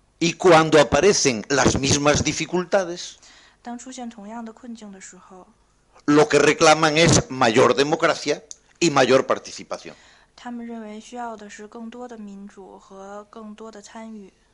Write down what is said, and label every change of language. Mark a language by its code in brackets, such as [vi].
[es] Y cuando aparecen las mismas dificultades, [zh] 当出现同样的困境的时候, [es] lo que reclaman es mayor democracia y mayor participación. [zh] 他们认为需要的是更多的民主和更多的参与。